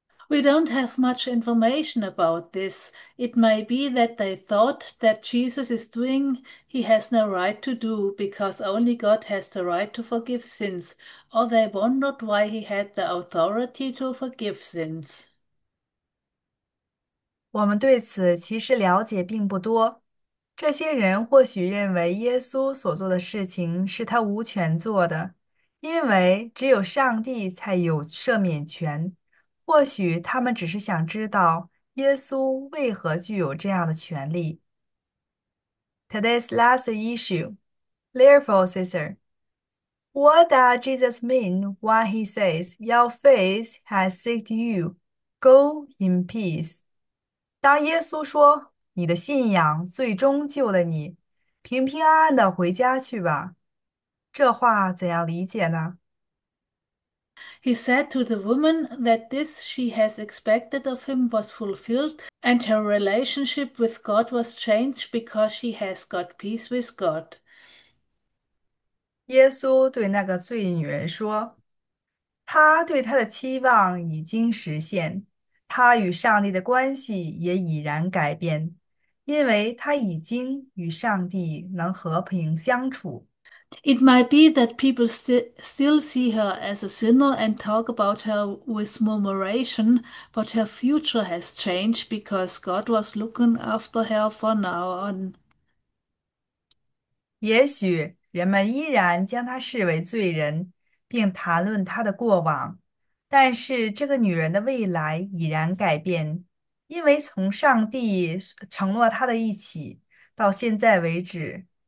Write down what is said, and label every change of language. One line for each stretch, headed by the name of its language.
English: We don't have much information about this. It may be that they thought that Jesus is doing he has no right to do because only God has the right to forgive sins, or they wondered why he had the authority to forgive sins.
Chinese: 我们对此其实了解并不多。这些人或许认为耶稣所做的事情是他无权做的，因为只有上帝才有赦免权。或许他们只是想知道耶稣为何具有这样的权利。
English: Today's last issue. Therefore, sister, what does Jesus mean when he says, "Your faith has saved you. Go in peace"?
Chinese: 当耶稣说：“你的信仰最终救了你，平平安安的回家去吧。 ”这话怎样理解呢？
English: He said to the woman that this she has expected of him was fulfilled, and her relationship with God was changed because she has got peace with God.
Chinese: 耶稣对那个罪女人说：“他对他的期望已经实现。” 他与上帝的关系也已然改变，因为他已经与上帝能和平相处。
English: It might be that people still see her as a sinner and talk about her with murmuration, but her future has changed because God was looking after her from now on.
Chinese: 也许人们依然将他视为罪人，并谈论他的过往。但是这个女人的未来已然改变，因为从上帝承诺她的一起到现在为止，